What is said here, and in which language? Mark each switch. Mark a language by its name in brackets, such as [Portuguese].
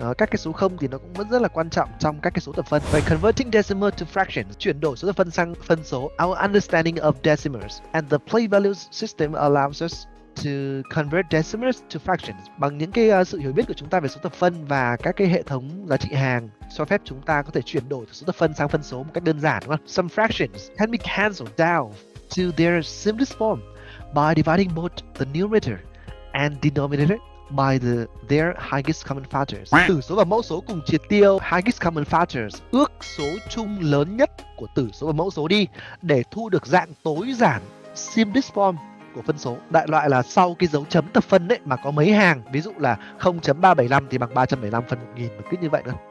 [Vietnamese] Các cái số 0 thì nó cũng vẫn rất là quan trọng trong các cái số thập phân. [English] By converting decimal to fractions, [Vietnamese] chuyển đổi số thập phân sang phân số, [English] our understanding of decimals and the place value system allows us to convert decimals to fractions. [Vietnamese] Bằng những cái sự hiểu biết của chúng ta về số thập phân và các cái hệ thống giá trị hàng cho phép chúng ta có thể chuyển đổi số thập phân sang phân số một cách đơn giản, đúng không? [English] Some fractions can be cancelled down to their simplest form by dividing both the numerator and denominator by their highest common factors. [Vietnamese] Tử số và mẫu số cùng triệt tiêu, highest common factors, ước số chung lớn nhất của tử số và mẫu số đi, để thu được dạng tối giản simplest form của phân số. Đại loại là sau cái dấu chấm thập phân ấy mà có mấy hàng, ví dụ là 0.375 thì bằng 375/1000, và cứ như vậy thôi.